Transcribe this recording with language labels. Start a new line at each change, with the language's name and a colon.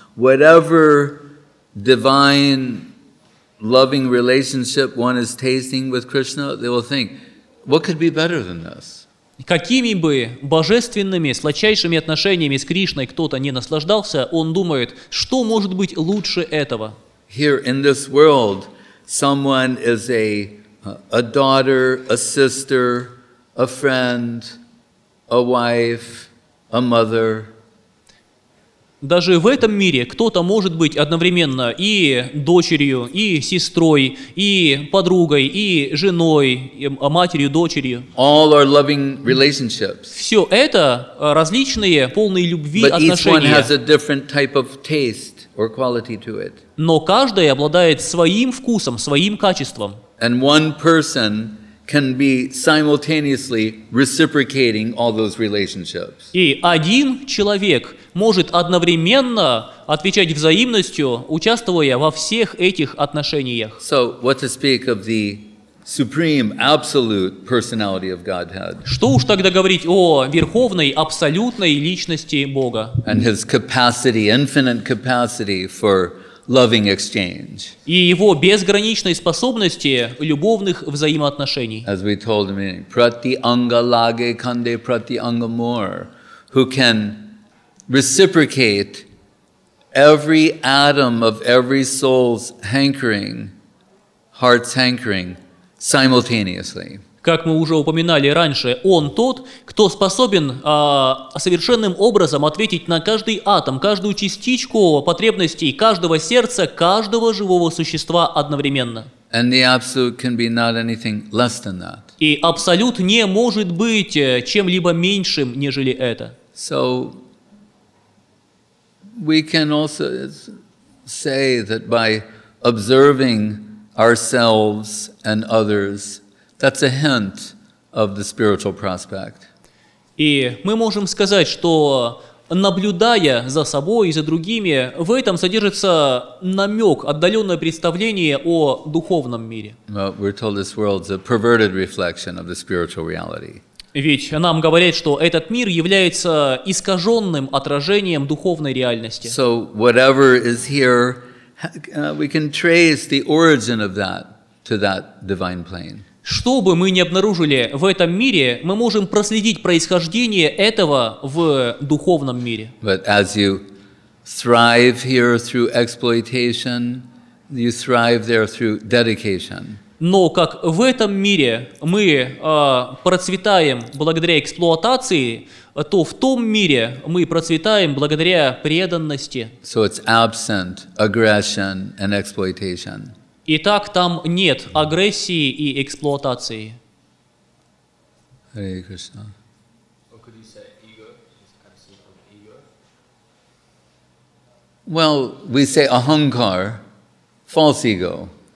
English: Whatever divine loving relationship one is tasting with Krishna, they will think, what could be better than this?
Russian: Какими бы божественными, сладчайшими отношениями с Кришной кто-то не наслаждался, он думает, что может быть лучше этого?
English: Here in this world, someone is a daughter, a sister, a friend, a wife, a mother.
Russian: Даже в этом мире кто-то может быть одновременно и дочерью, и сестрой, и подругой, и женой, и матерью, дочерью.
English: All are loving relationships.
Russian: Все это различные, полные любви
English: But
Russian: отношения.
English: Each one has a different type of taste or quality to it.
Russian: Но каждая обладает своим вкусом, своим качеством.
English: And one person can be simultaneously reciprocating all those relationships.
Russian: И один человек может одновременно отвечать взаимностью, участвуя во всех этих отношениях.
English: So, what to speak of the supreme, absolute personality of Godhead?
Russian: Что уж тогда говорить о верховной, абсолютной личности Бога?
English: And his capacity, infinite capacity for loving exchange.
Russian: И его безграничной способности любовных взаимоотношений.
English: As we told him,
Bangla: prati anga lage kande prati anga mor,
English: who can reciprocate every atom of every soul's hankering, heart's hankering, simultaneously.
Russian: Как мы уже упоминали раньше, он тот, кто способен совершенным образом ответить на каждый атом, каждую частичку потребностей каждого сердца, каждого живого существа одновременно.
English: And the absolute can be not anything less than that.
Russian: И абсолют не может быть чем-либо меньшим, нежели это.
English: So we can also say that by observing ourselves and others, that's a hint of the spiritual prospect.
Russian: И мы можем сказать, что наблюдая за собой и за другими, в этом содержится намек, отдаленное представление о духовном мире.
English: Well, we're told this world's a perverted reflection of the spiritual reality.
Russian: Ведь нам говорят, что этот мир является искаженным отражением духовной реальности.
English: So whatever is here, we can trace the origin of that to that divine plane.
Russian: Что бы мы ни обнаружили в этом мире, мы можем проследить происхождение этого в духовном мире.
English: But as you thrive here through exploitation, you thrive there through dedication.
Russian: Но как в этом мире мы процветаем благодаря эксплуатации, то в том мире мы процветаем благодаря преданности.
English: So it's absent aggression and exploitation.
Russian: Итак, там нет агрессии и эксплуатации.
English: Hare Krishna. Well, we say ahankar, false ego.